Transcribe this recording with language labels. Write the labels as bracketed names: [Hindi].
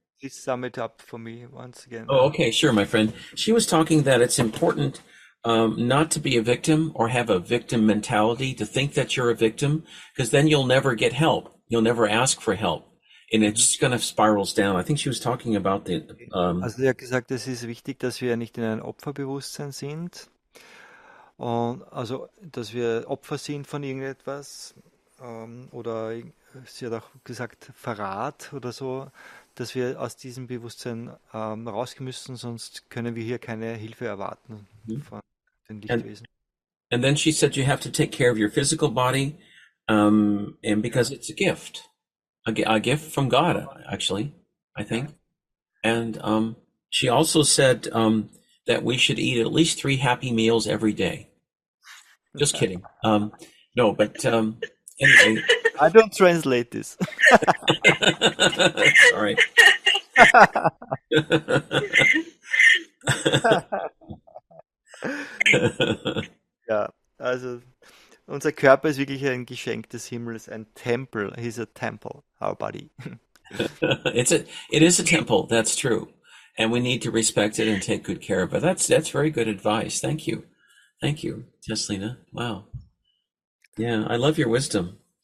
[English] Please sum it up for me once again. Oh, okay, sure, my friend. She was talking that it's important not to be a victim or have a victim mentality, to think that you're a victim, because then you'll never get help. You'll never ask for help. And it just kind of spirals down. I think she was talking about the... [German] Also sie hat gesagt, es ist wichtig, dass wir nicht in einem Opferbewusstsein sind. Und also, dass wir Opfer sind von irgendetwas, oder sie hat auch gesagt, Verrat oder so, dass wir aus diesem Bewusstsein raus müssen, sonst können wir hier keine Hilfe erwarten von den Lichtwesen. [English] And then she said, you have to take care of your physical body, and because it's a gift. A gift from God, actually, I think. And she also said that we should eat at least 3 happy meals every day. Just kidding. No, but anyway. I don't translate this. Sorry. [German] Ja, also unser Körper ist wirklich ein Geschenk des Himmels, ein Tempel. [English] He's a temple, our body. It is a temple, that's true. And we need to respect it and take good care of it. That's very good advice. Thank you. Thank you, Tashlena. Wow. Yeah, I love your wisdom.